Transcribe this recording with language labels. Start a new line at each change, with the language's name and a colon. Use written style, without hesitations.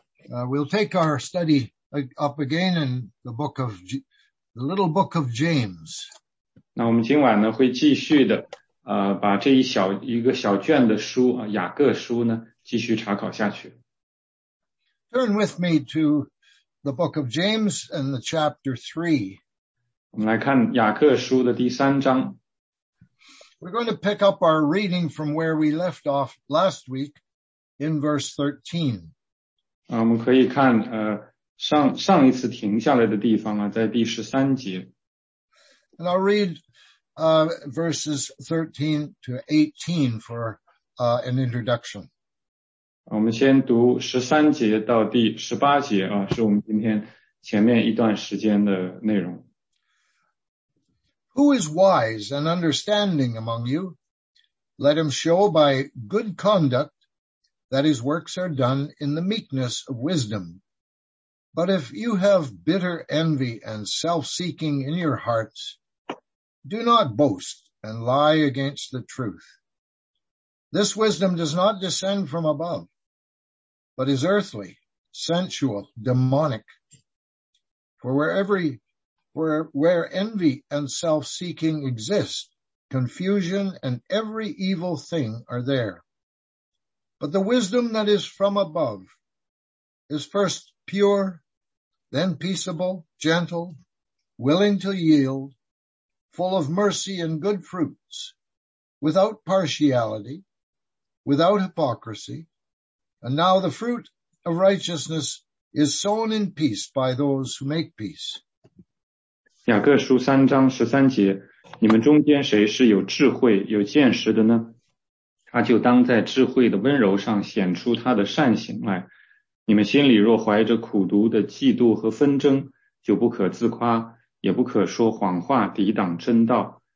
English: We'll take our study up again in the book of the little book of James.
Chinese: 那我们今晚呢会继续的，把这一个小卷的书啊，雅各书呢，继续查考下去。
English: Turn with me to the book of James and the chapter 3.
Chinese: 我们来看雅各书的第三章。
English: We're going to pick up our reading from where we left off last week in verse 13.
Chinese: 我们可以看上一次停下来的地方啊，在第十三节。
English: And I'll read verses 13 to 18 for an introduction.
Chinese: 我们先读十三节到第十八节啊，是我们今天前面一段时间的内容。
English: Who is wise and understanding among you? Let him show by good conduct that his works are done in the meekness of wisdom. But if you have bitter envy and self-seeking in your hearts, do not boast and lie against the truth. This wisdom does not descend from above, but is earthly, sensual, demonic. Where envy and self-seeking exist, confusion and every evil thing are there. But the wisdom that is from above is first pure, then peaceable, gentle, willing to yield, full of mercy and good fruits, without partiality, without hypocrisy. And now the fruit of righteousness is sown in peace by those who make peace.
Chinese: 雅各书三章十三节，你们中间谁是有智慧、有见识的呢？他就当在智慧的温柔上显出他的善行来。你们心里若怀着苦毒的嫉妒和纷争，就不可自夸，也不可说谎话抵挡真道。